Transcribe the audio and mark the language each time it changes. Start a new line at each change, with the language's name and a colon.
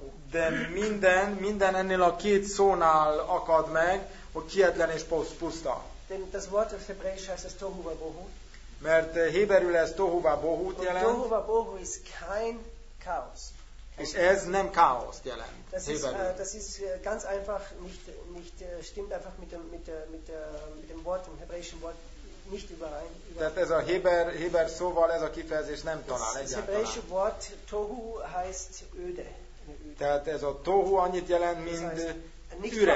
Hungarian: De minden ennél a két szónál akad meg, hogy kietlen és puszta.
German: Das Wort auf Hebräisch heißt es Tohu wa Bohu.
Hungarian: Mert héberül ez Tohu wa Bohut jelent.
German: Tohu wa Bohu is kein Chaos.
Hungarian: És ez nem káoszt jelent.
German: Das ist ganz einfach nicht stimmt einfach mit dem Wort, dem hebräischen Wort nicht überein.
Hungarian: Tehát ez a héber szóval ez a kifejezés nem talál egyáltalán.
German: Das hebräische Wort Tohu heißt öde.
Hungarian: Tehát ez a Tohu annyit jelent, mint